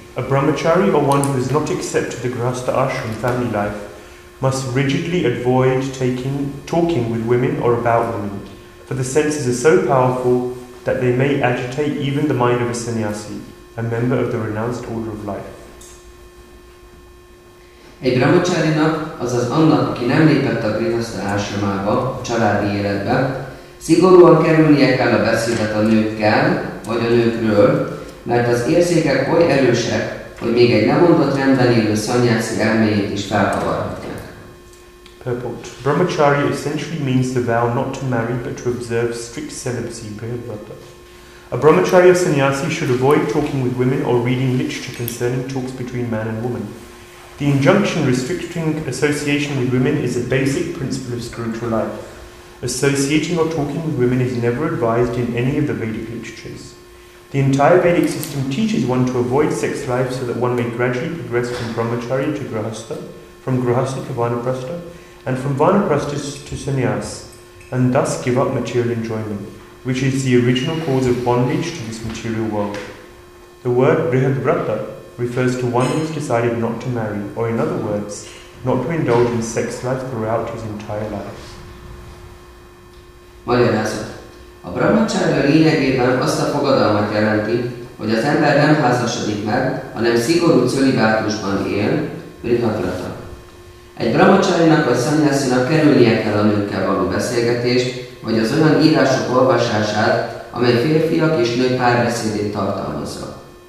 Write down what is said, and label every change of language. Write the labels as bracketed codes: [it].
[en] A brahmachari or one who has not accepted the grahastha ashram family life must rigidly avoid talking with women or about women, for the senses are so powerful that they may agitate even the mind of a sannyasi, a member of the renounced order of life. [hu] Egy brahmacharinak, azaz annak, aki nem lépett a grihasztha ásramába, családi életbe, szigorúan kerülnie kell a beszédet a nőkkel, vagy a nőkről, mert az érzékek oly erősek, hogy még egy lemondott rendben élő sannyasi elméjét is felkavarhatják. [en] Purport. Brahmachari essentially means the vow not to marry but to observe strict celibacy, brihadvrata. A brahmacharya sannyasi should avoid talking with women or reading literature concerning talks between man and woman. The injunction restricting association with women is a basic principle of spiritual life. Associating or talking with women is never advised in any of the Vedic literatures. The entire Vedic system teaches one to avoid sex life so that one may gradually progress from brahmacharya to grihastha, from grihastha to vanaprastha, and from vanaprastha to sannyas, and thus give up material enjoyment, which is the original cause of bondage to this material world. The word brihadvrata refers to one who has decided not to marry, or in other words, not to indulge in sex life throughout his entire life. [hu] Magyarázat. A brahmacharya lényegében azt a fogadalmat jelenti, hogy az ember nem házasodik meg, hanem szigorú cölibátusban él, brihadvrata. Egy brahmacharinak vagy szannyászinak kerülnie kell a nőkkel való beszélgetést, vagy az olyan írások olvasását, amely férfiak és nők párbeszédét tartalmazza.